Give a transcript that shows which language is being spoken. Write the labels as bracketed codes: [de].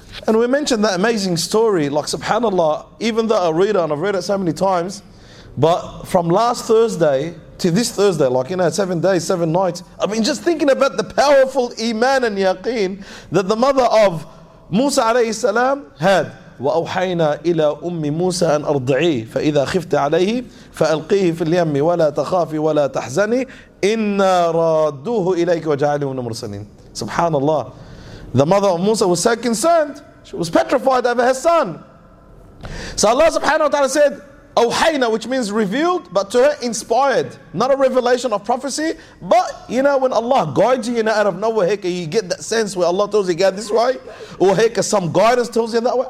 [en] And we mentioned that amazing story, like subhanAllah, even though I read it and I've read it so many times, but from last Thursday to this Thursday, like, you know, 7 days, 7 nights, I mean, just thinking about the powerful iman and yaqeen that the mother of Musa alayhi salam had. [ar] وأوحينا إلى أم موسى أن أرضعيه فإذا خفت عليه فألقيه في اليم ولا تخافي ولا تحزني إنا رادوه إليك وجعلني من المرسلين. سبحان الله. [en] The mother of Musa was so concerned, she was petrified over her son. So Allah subhanahu wa ta'ala said, أوحينا, which means revealed, but to her inspired. Not a revelation of prophecy, but you know when Allah guides you, you know, out of nowhere, you get that sense where Allah tells you, God, this way, or some guidance tells you that way.